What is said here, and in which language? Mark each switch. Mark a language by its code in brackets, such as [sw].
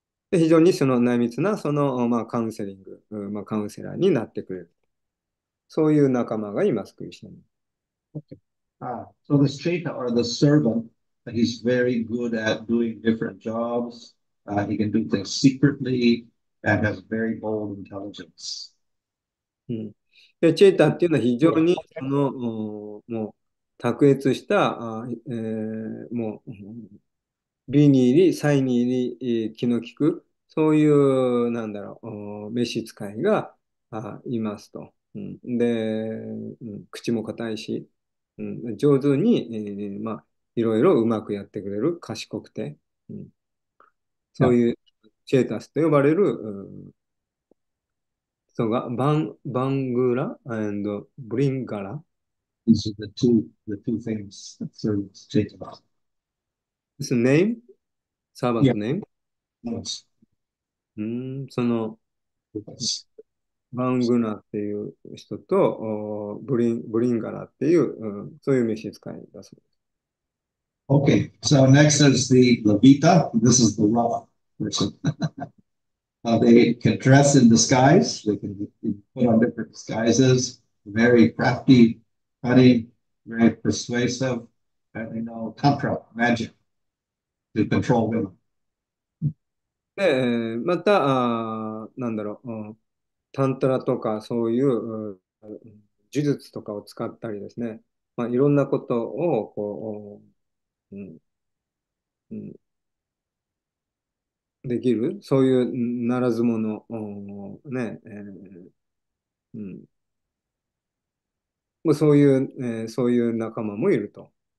[ja] で、非常にその内密なその、まあ、カウンセリング、まあ、カウンセラーになってくれる。そういう仲間がいます、クリスチャン。 [en] So this Chaita or the servant, he's very good at doing different jobs. He can do things secretly and has very bold intelligence. [ja] で、チェーターっていうのは非常 [en] Yeah. [ja] にその、もう卓越した、もう、美に入り、才に入り、気の利く、そういう、なんだろう、召使いがいますと。で、口も固いし、上手に、まあ、いろいろうまくやってくれる、賢くて、そういうチェータスと呼ばれる、そうが、バングラ&ブリンガラ。 [en] These are the two things that serve Chaitanya. This name? サーバントネーム？ Yes. [ja] その、 [en] Yes. [ja] バングナっていう人と、ブリンガラっていう、そういう召使いだそうです。 [en] Okay, so next is the Levita. This is the rough person. They can dress in disguise, they can put on different disguises, very crafty. Funny, very persuasive, and they know tantra, magic, to control women. [ja] で、また、なんだろう、タントラとか、そういう、呪術とかを使ったりですね、まあ、いろんなことを、こう、できる、そういうならず者、ね、まあ、そういう仲間もいると。